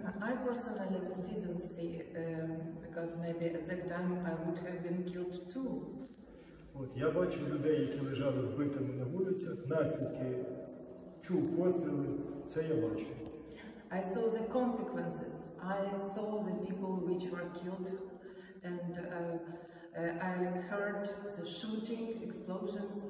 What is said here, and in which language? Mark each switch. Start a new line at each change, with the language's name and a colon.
English: I personally didn't see, because maybe at that time I would have been killed too.
Ukrainian: От, я бачив людей, які лежали вбитими на вулицях, наслідки, чув постріли, це я бачив.
English: I saw the consequences. I saw the people which were killed, and I heard the shooting, explosions.